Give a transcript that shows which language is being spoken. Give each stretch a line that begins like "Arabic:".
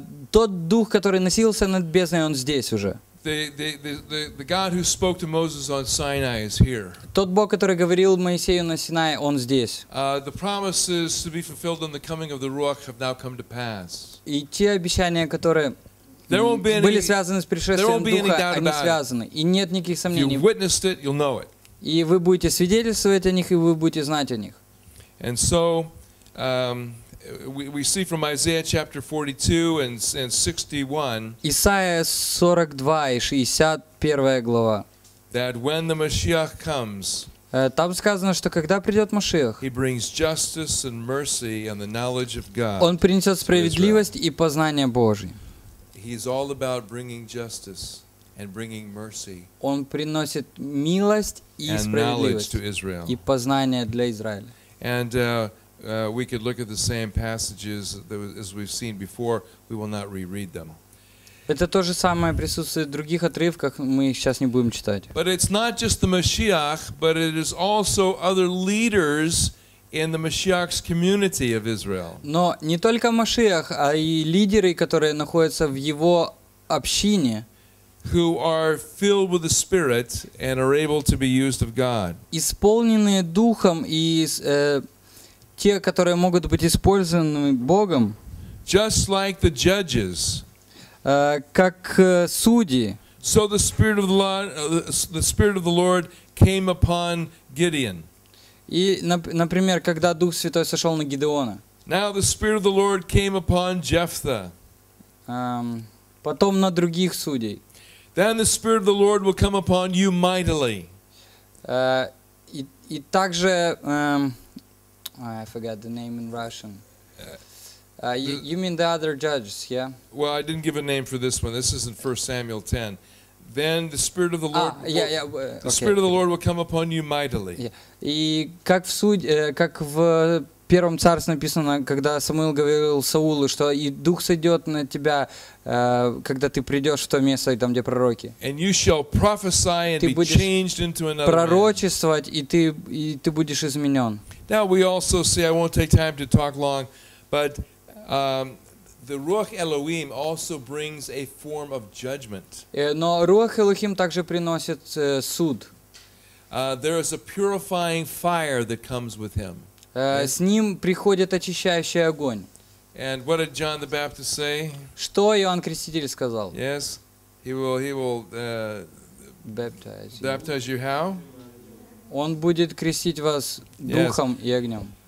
Russian: Тот Дух, который носился над бездной, он здесь уже.
English: The God who spoke to Moses on Sinai is here.
Russian: Тот Бог, который говорил Моисею на Синае, он здесь.
English: The promises to be fulfilled in the coming of the Ruach have now come to pass.
Russian: И те обещания, которые были связаны с пришествием Духа, они связаны. И нет никаких сомнений.
English: If you witnessed it, you'll know it.
Russian: И вы будете свидетельствовать о них, и вы будете знать о них.
English: And so, we see from Isaiah chapter 42 and 61.
Russian: Исаия 42 и 61 глава.
English: That when the Mashiach comes.
Russian: Там сказано, что когда придет Машиах,
English: He brings justice and mercy and the knowledge of God.
Russian: Он принесет справедливость и познание Божье.
English: He is all about bringing justice and bringing mercy.
Russian: Он приносит милость и справедливость и познание для Израиля.
English: And we could look at the same passages that, as we've seen before. We will not reread them.
Russian: Это то же самое присутствует в других отрывках, мы их сейчас не будем читать.
English: But it's not just the Mashiach, but it is also other leaders in the Mashiach's community of Israel.
Russian: Но не только Машиах, а и лидеры, которые находятся в его общине.
English: Who are filled with the Spirit and are able to be used of God.
Russian: Исполненные духом и те, которые могут быть использованы Богом.
English: Just like the judges.
Russian: Как судьи.
English: So the Spirit of the Lord, the Spirit of the Lord came upon Gideon.
Russian: И, например, когда Дух Святой сошел на Гидеона.
English: Now the Spirit of the Lord came upon Jephthah.
Russian: Потом на других судей.
English: Then the Spirit of the Lord will come upon you mightily.
Russian: И также,
English: I forgot the name in Russian. You mean the other judges, yeah? Well, I didn't give a name for this one. This is in 1 Samuel 10. Then the Spirit of the Lord, yeah. The Spirit of the Lord will come upon you mightily.
Russian: И как в как в первом царстве написано, когда Самуил говорил Саулу, что и дух сойдет на тебя, когда ты придешь в то место, там где пророки.
English: And you shall prophesy and be changed into another.
Russian: Пророчествовать и ты будешь изменен.
English: Now we also see. I won't take time to talk long, but the Ruach Elohim also brings a form of judgment.
Russian: Но Руах Элохим также приносит суд.
English: There is a purifying fire that comes with him.
Russian: С ним приходит очищающий огонь.
English: And what did John the Baptist say?
Russian: Что Иоанн Креститель сказал?
English: Yes, he will baptize you how?
Russian: Он будет крестить вас духом и огнем.